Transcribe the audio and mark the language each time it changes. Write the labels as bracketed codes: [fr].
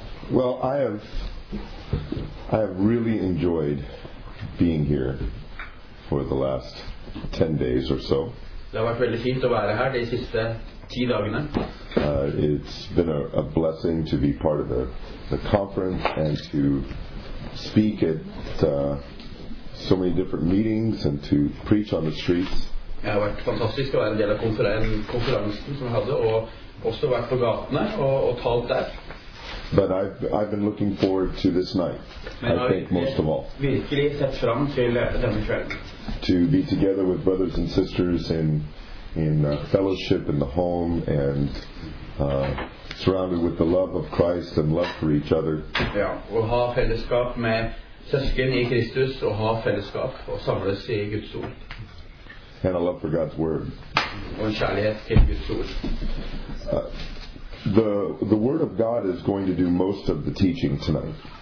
[en] Well, I have really enjoyed being here for the last 10 days or so. [no] Det har vært veldig fint å være her de siste 10 dagene. [en] It's been a blessing to be part of the conference and to speak at so many different meetings and to preach on the streets. [no] Det har vært fantastisk å være en del av konferansen som vi hadde, og også vært på gatene og talt der. [en] But I've been looking forward to this night, I think most of all. [no] Virkelig sett fram til denne kvelden. [en] To be together with brothers and sisters in fellowship in the home and surrounded with the love of Christ and love for each other. [no] Ja, og ha fellesskap med søsken i Kristus og ha fellesskap og samles i Guds ord. [en] and a love for God's Word. The Word of God is going to do most of the teaching tonight.